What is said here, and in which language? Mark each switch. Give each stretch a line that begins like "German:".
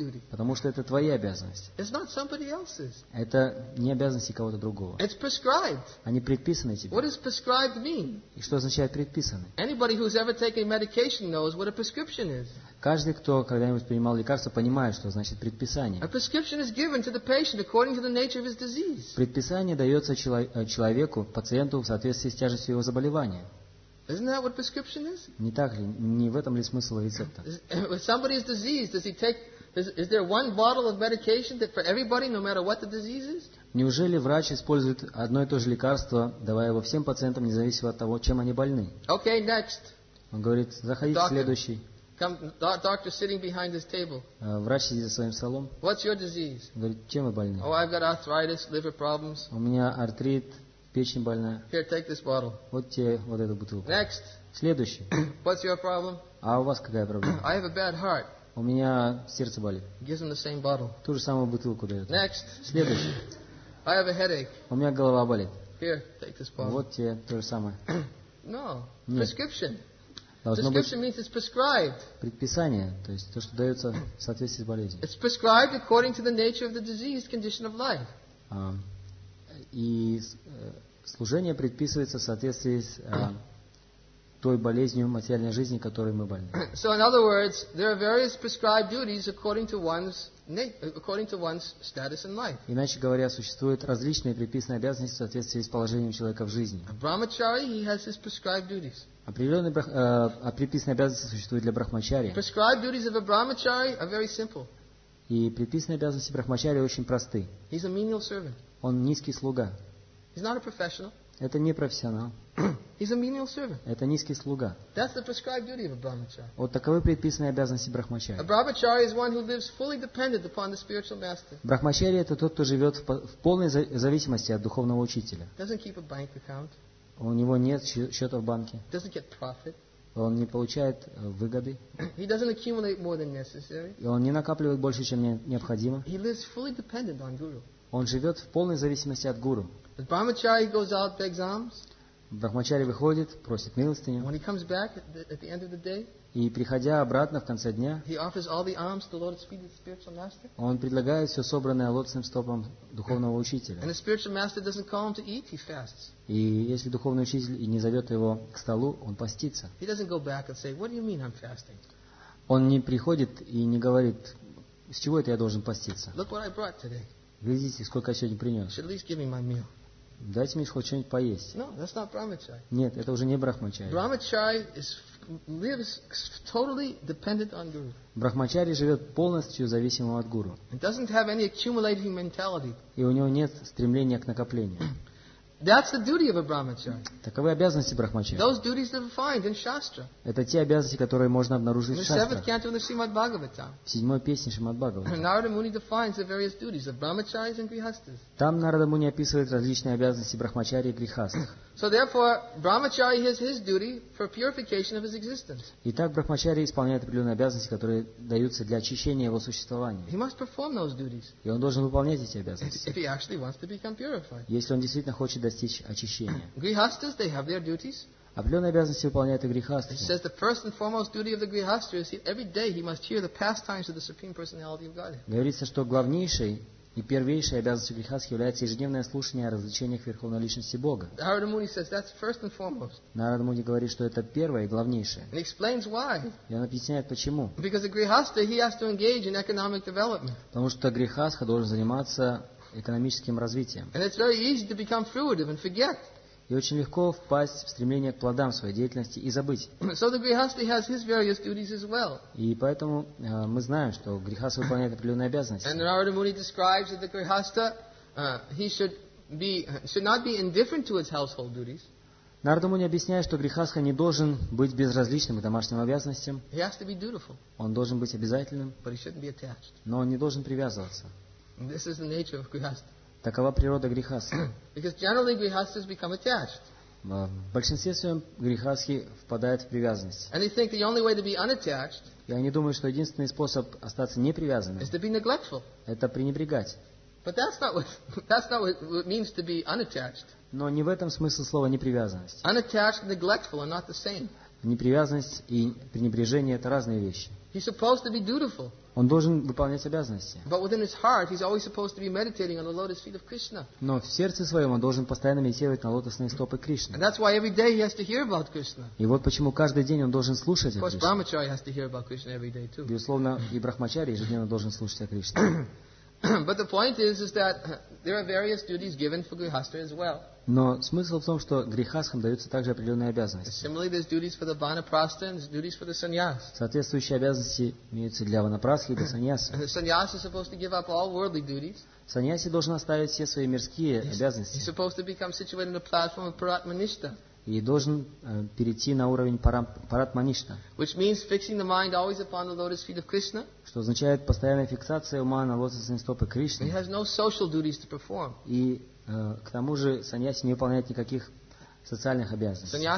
Russian: Потому что это твоя обязанность. Это не обязанности кого-то другого. Они предписаны тебе.
English: What does prescribed mean?
Russian: И что означает предписаны?
English: Anybody who's ever taken medication knows what a prescription is.
Russian: Каждый, кто когда-нибудь принимал лекарство, понимает, что значит предписание.
English: A prescription is given to the patient according to the nature of his disease.
Russian: Предписание дается человеку, пациенту, в соответствии с тяжестью его заболевания.
English: Isn't that what prescription is?
Russian: Не так ли? Не в этом ли смысл рецепта?
English: If somebody is diseased, does he take? Is there one bottle of medication that for everybody, no matter what the disease is?
Russian: Неужели врач использует одно и то же лекарство, давая его всем пациентам, независимо от того, чем они больны?
English: Okay, next.
Russian: Он говорит, заходите следующий.
English: Come, doctor, sitting behind this table.
Russian: Врач сидит за своим столом.
English: What's your disease?
Russian: Он говорит, чем вы больны?
English: Oh, I've got arthritis, liver problems.
Russian: У меня артрит. Печень больная.
English: Here, take this bottle.
Russian: Вот тебе вот эту бутылку.
English: Next.
Russian: Следующий.
English: What's your problem?
Russian: А у вас какая проблема?
English: I have a bad heart.
Russian: У меня сердце болит.
English: Gives him the same bottle.
Russian: Ту же самую бутылку дает.
English: Next.
Russian: Следующий.
English: I have a headache.
Russian: У меня голова болит.
English: Here, take this bottle.
Russian: Вот тебе то же самое.
English: No.
Russian: Нет.
English: Prescription. Prescription means it's prescribed.
Russian: Предписание, то есть то, что дается в соответствии с болезнью.
English: It's prescribed according to the nature of the disease condition of life.
Russian: И служение предписывается в соответствии с той болезнью материальной жизни, которой мы больны.
English: So in other words, there are various prescribed duties according to one's status in life.
Russian: Иначе говоря, существуют различные предписанные обязанности в соответствии с положением человека в жизни.
English: A brahmachari, he has his prescribed duties.
Russian: Определенные предписанные обязанности существуют для брахмачари.
English: Prescribed duties of a brahmachari are very simple.
Russian: И предписанные обязанности брахмачари очень просты.
English: He's a menial servant.
Russian: Он низкий слуга.
English: He's not a professional.
Russian: Это не профессионал.
English: He's a menial servant.
Russian: Это низкий слуга.
English: That's the prescribed duty of a brahmachari.
Russian: Вот таковы предписанные обязанности брахмачари.
English: A brahmachari is one who lives fully dependent upon the spiritual master.
Russian: Брахмачари это тот, кто живет в полной зависимости от духовного учителя.
English: Doesn't keep a bank account.
Russian: У него нет счета в банке.
English: Doesn't get profit.
Russian: Он не получает выгоды.
English: He doesn't accumulate more than necessary.
Russian: И он не накапливает больше, чем необходимо.
English: He lives fully dependent on guru.
Russian: Он живет в полной зависимости от гуру.
English: But brahmachari goes out, begs alms.
Russian: Брахмачари выходит, просит милостыню.
English: When he comes back at the end of the day,
Russian: и приходя обратно в конце дня,
English: he offers all the alms to Lord's feet, the spiritual master.
Russian: Он предлагает все собранное лотосным стопом духовного учителя.
English: And the spiritual master doesn't call him to eat, he fasts.
Russian: И если духовный учитель не зовет его к столу, он постится.
English: He doesn't go back and say, "What do you mean I'm fasting?"
Russian: Он не приходит и не говорит, с чего это я должен поститься.
English: Look what I brought today.
Russian: Глядите, сколько я сегодня принес.
English: Should at least give me my meal.
Russian: Дайте мне хоть что-нибудь поесть.
English: No, that's not brahmachari.
Russian: Нет, это уже не брахмачари.
English: Brahmachari is lives totally dependent on guru.
Russian: Брахмачари живет полностью зависимым от гуру.
English: It doesn't have any accumulating mentality.
Russian: И у него нет стремления к накоплению.
English: That's the duty of a brahmachari.
Russian: Таковы обязанности брахмачари.
English: Those duties that we find in Shastra.
Russian: Это те обязанности, которые можно обнаружить в Шастрах.
English: In the seventh canto of the Srimad Bhagavatam.
Russian: В седьмой песне Шримад Бхагаватам.
English: Narada Muni defines the various duties of brahmacharis and grihasthas.
Russian: Там Нарада Муни описывает различные обязанности брахмачари и грихастх.
English: So therefore, brahmachari has his duty for purification of his existence.
Russian: Итак, брахмачари исполняет определенные обязанности, которые даются для очищения его существования.
English: He must perform those duties.
Russian: И он должен выполнять эти обязанности.
English: If he actually wants to become purified.
Russian: Если он действительно хочет достичь очищения.
English: Grihasthas, they have their duties.
Russian: Определенные обязанности выполняет и грехастха.
English: He says the first and foremost duty of the grihastha is every day he must hear the pastimes of the Supreme Personality of Godhead.
Russian: Говорится, что главнейшей и первейшей обязанностью грихастхи является ежедневное слушание о развлечениях Верховной Личности Бога.
English: Narada Muni says that's first and foremost.
Russian: Narada Muni говорит, что это первое и главнейшее.
English: And explains why.
Russian: И он объясняет почему.
English: Because the grihastha he has to engage in economic development.
Russian: Потому что грихастха должен заниматься экономическим развитием.
English: And it's very easy to become fruitive and forget.
Russian: И очень легко впасть в стремление к плодам своей деятельности и забыть.
English: So the grihastha has his various duties as well.
Russian: И поэтому мы знаем, что грихастха выполняет определенные обязанности.
English: And Narada Muni describes that the grihastha he should not be indifferent to his household duties.
Russian: Нарада Муни объясняет, что грихастха не должен быть безразличным к домашним обязанностям.
English: He has to be dutiful.
Russian: Он должен быть обязательным.
English: But he shouldn't be attached.
Russian: Но он не должен привязываться.
English: This is the nature of grihastha.
Russian: Такова природа грихастхи.
English: Because generally grihasthas become attached.
Russian: В большинстве своем грихастхи впадают в привязанность.
English: And they think the only way to be unattached.
Russian: И они думают, что единственный способ остаться непривязанным.
English: Is to be neglectful.
Russian: Это пренебрегать.
English: But that's not what it means to be unattached.
Russian: Но не в этом смысл слова непривязанность.
English: Unattached and neglectful are not the same.
Russian: Непривязанность и пренебрежение — это разные вещи.
English: He's supposed to be dutiful.
Russian: Он должен выполнять обязанности.
English: But within his heart, he's always supposed to be meditating on the lotus feet of Krishna.
Russian: Но в сердце своем он должен постоянно медитировать на лотосные стопы Кришны.
English: And that's why every day he has to hear about Krishna.
Russian: И вот почему каждый день он должен слушать о Кришне.
English: Of course, Brahmachari has to hear about Krishna every day too.
Russian: Безусловно, и брахмачари ежедневно должен слушать о Кришне.
English: But the point is that there are various duties given for grihastha as well.
Russian: Но смысл в том, что грихастхам даются также определенные обязанности.
English: Similarly, there's duties for the vanaprastha and duties for the sannyas.
Russian: Соответствующие обязанности имеются для ванапрасхи и для саньяса.
English: The sannyas is supposed to give up all worldly duties.
Russian: Саньяси должен оставить все свои мирские обязанности.
English: He's supposed to become situated on the platform of Paratmanishtha.
Russian: И должен перейти на уровень Паратманишта.
English: Which means fixing the mind always upon the lotus feet of Krishna.
Russian: Что означает постоянная фиксация ума на лотосные стопы Кришны.
English: He has no social duties to perform.
Russian: И к тому же саньяси не выполняет никаких социальных обязанностей.